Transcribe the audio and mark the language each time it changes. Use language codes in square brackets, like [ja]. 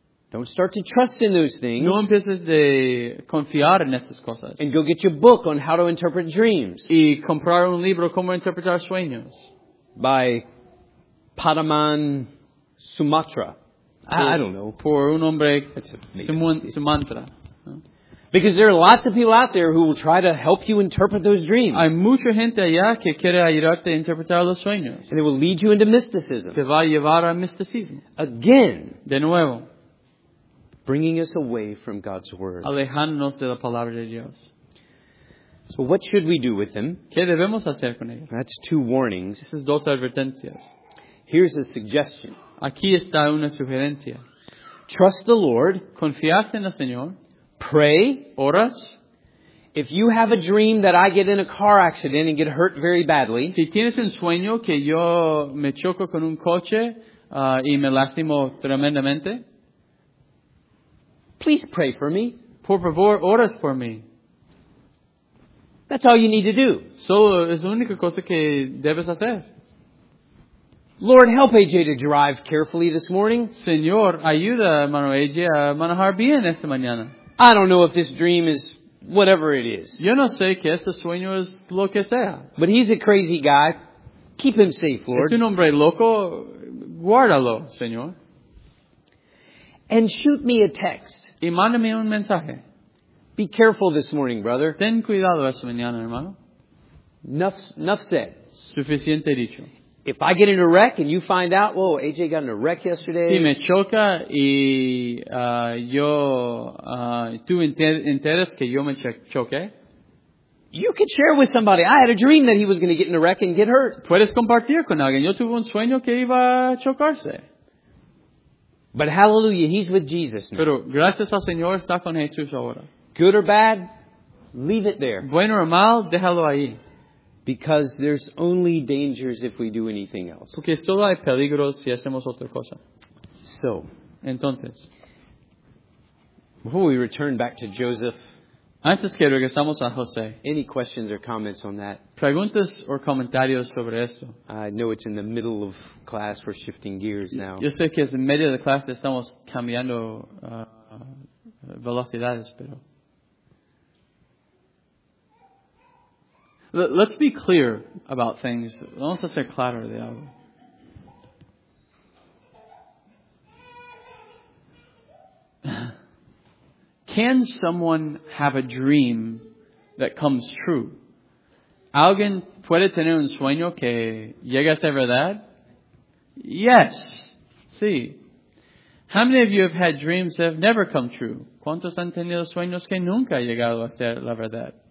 [en] Don't start to trust in those things. [es] No empieces de confiar en esas cosas. [en] And go get your book on how to interpret dreams. [es] Y comprar un libro cómo interpretar sueños. [en] By Padaman Sumatra. I don't know. [es] Por un hombre Sumatra. [en] Because there are lots of people out there who will try to help you interpret those dreams. [es] Hay mucha gente allá que quiere ayudarte a interpretar los sueños. [en] And it will lead you into mysticism. [es] Te va a llevar a misticismo. [en] Again. [es] De nuevo. [en] Bringing us away from God's word. [es] Alejándonos de la palabra de Dios. [en] So what should we do with them? [es] ¿Qué debemos hacer con ellos? [en] That's two warnings. [es] Esas dos advertencias. [en] Here's a suggestion. [es] Aquí está una sugerencia. [en] Trust the Lord. [es] Confiad en el Señor. [en] Pray. [es] Oras. [en] If you have a dream that I get in a car accident and get hurt very badly. [es] Si tienes un sueño que yo me choco con un coche y me lastimo tremendamente. [en] Please pray for me. [es] Por favor, oras por mí. [en] That's all you need to do. [es] Solo es la única cosa que debes hacer. [en] Lord, help AJ to drive carefully this morning. [es] Señor, ayuda a mano AJ a manejar bien esta mañana. [en] I don't know if this dream is whatever it is. [es] Yo no sé que este sueño es lo que sea. [en] But he's a crazy guy. Keep him safe, Lord. [es] Es un hombre loco. Guárdalo, Señor. [en] And shoot me a text. [es] Y mándame un mensaje. [en] Be careful this morning, brother. [es] Ten cuidado esta mañana, hermano. [en] Enough said. [es] Suficiente dicho. [en] If I get in a wreck and you find out, whoa, AJ got in a wreck yesterday. [es] Si me choca y yo, tú enteras que yo me choqué. [en] You could share with somebody. I had a dream that he was going to get in a wreck and get hurt. [es] Puedes compartir con alguien. Yo tuve un sueño que iba a chocarse. [en] But hallelujah, he's with Jesus now. [es] Pero gracias al Señor, está con Jesús ahora. [en] Good or bad, leave it there. [es] Bueno o mal, déjalo ahí. [en] Because there's only dangers if we do anything else. [es] Porque solo hay peligros si hacemos otra cosa. [en] So, [es] entonces, [en] before we return back to Joseph, [es] antes que regresamos a José, [en] any questions or comments on that? [es] Preguntas o comentarios sobre esto? [en] I know it's in the middle of class, we're shifting gears now. [es] Yo sé que es en medio de clase, estamos cambiando velocidades, pero... [en] Let's be clear about things. [es] Vamos a ser claro de algo. [en] Can someone have a dream that comes true? [es] ¿Alguien puede tener un sueño que llega a ser verdad? [en] Yes. [es] Sí. [en] How many of you have had dreams that have never come true? [es] ¿Cuántos han tenido sueños que nunca han llegado a ser la verdad?